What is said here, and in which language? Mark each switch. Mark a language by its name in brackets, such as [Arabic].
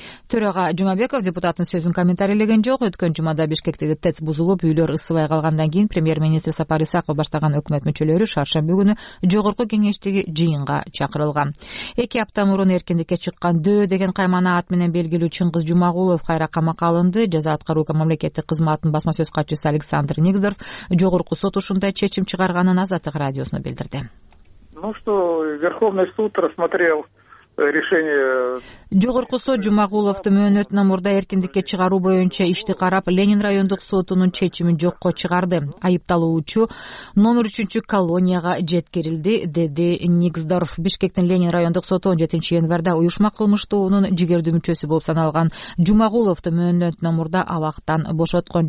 [Kyrgyz] Төрага Жумабеков депутаттын сөзүн комментарийлеген жок. Өткөн жумада Бишкектеги ТЭЦ бузулуп, үйлөр ысыбай калгандан кийин премьер министр Сапар Исаков баштаган өкмөт мүчөлөрү шаршамбы күнү жогорку кеңештеги жыйынга чакырылган. Эки апта мурун эркиндикке чыккан Дөө деген каймана ат менен белгилүү Чыңгыз Жумагулов кайра камакка алынды. Жаза аткаруу мамлекеттик кызматынын басма сөз катчысы Александр Нигзоров жогорку сот ушундай чечим чыгарганын Азаттык радиосуна билдирди. [Russian] Ну что, Верховный суд рассмотрел решение. [Kyrgyz] Жогорку сот Жумагуловдун мөөнөтүнө мурда эркиндикке чыгаруу боюнча ишти карап, Ленин райондук сотунун чечимин жокко чыгарды. Айыпталуучу номер 3-чү колонияга жеткирилди, деди Никсдорф. Бишкектин Ленин райондук соту 17 январда уюшма кылмыштуунун жигердүү мүчөсү болуп саналган Жумагуловду мөөнөтүнө мурда абактан бошоткон.